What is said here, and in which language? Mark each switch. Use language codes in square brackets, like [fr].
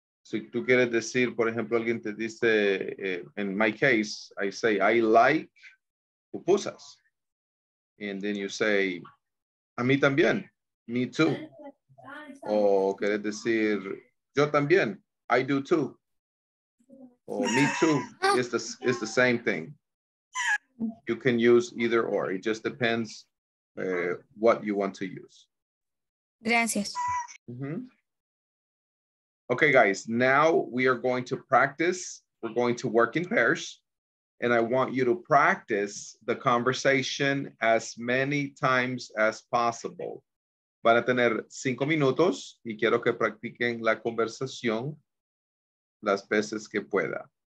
[es] Si tú quieres decir, por ejemplo, alguien te dice, [en] in my case, I say, I like pupusas. And then you say, [es] a mí también, [en] me too. [es] O quieres decir, yo también, [en] I do too. O me too, it's the same thing. You can use either or, it just depends what you want to use. [es] Gracias. [en] Mm-hmm. Okay, guys, now we are going to practice. We're going to work in pairs. And I want you to practice the conversation as many times as possible. [es] Van a tener 5 minutos y quiero que practiquen la conversación las veces que pueda.